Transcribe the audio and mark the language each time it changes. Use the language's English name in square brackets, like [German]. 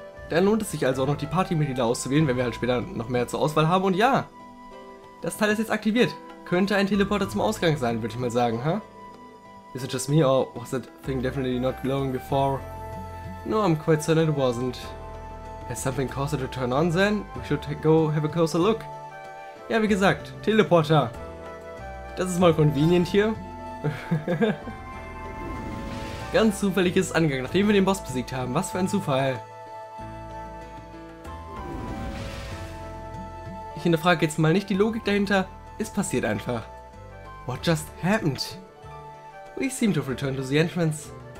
[German] Dann lohnt es sich also auch noch die Partymitglieder auszuwählen, wenn wir halt später noch mehr zur Auswahl haben. Und ja, das Teil ist jetzt aktiviert. Könnte ein Teleporter zum Ausgang sein, würde ich mal sagen, ha? Huh? [English] Is it just me or was that thing definitely not glowing before? No, I'm quite certain it wasn't. Has something caused it to turn on then? We should go have a closer look. [German] Ja, wie gesagt, Teleporter. Das ist mal convenient hier. Ganz zufällig ist es angegangen, nachdem wir den Boss besiegt haben. Was für ein Zufall. Ich hinterfrage jetzt mal nicht die Logik dahinter. Es passiert einfach. [English] What just happened? We seem to have returned to the entrance.